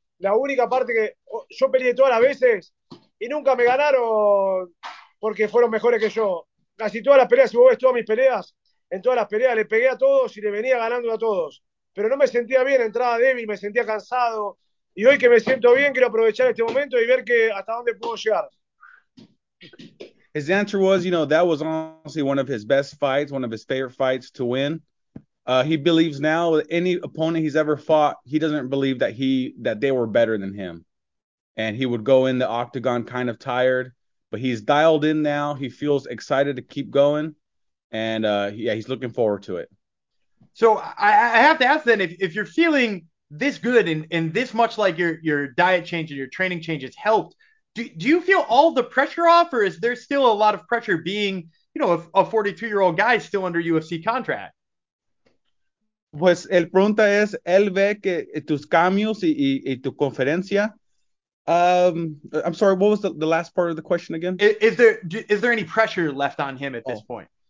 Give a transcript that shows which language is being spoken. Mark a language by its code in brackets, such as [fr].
[es] La única parte que yo peleé todas las veces y nunca me ganaron porque fueron mejores que yo. Casi todas las peleas, si vos ves todas mis peleas, en todas las peleas le pegué a todos y le venía ganando a todos. Pero no me sentía bien, entraba débil, me sentía cansado. Y hoy que me siento bien, quiero aprovechar este momento y ver que hasta dónde puedo llegar. [en] His answer was, you know, that was honestly one of his best fights, one of his favorite fights to win. He believes now with any opponent he's ever fought, he doesn't believe that they were better than him. And he would go in the octagon kind of tired, but he's dialed in now. He feels excited to keep going. And he's looking forward to it. So I have to ask then, if you're feeling this good and this much like your diet change and your training change has helped, do you feel all the pressure off, or is there still a lot of pressure being, you know, a 42-year-old guy still under UFC contract? [es] Pues el pregunta es, él ve que tus cambios y tu conferencia. [en] I'm sorry, what was the last part of the question again? Is there any pressure left on him at this point?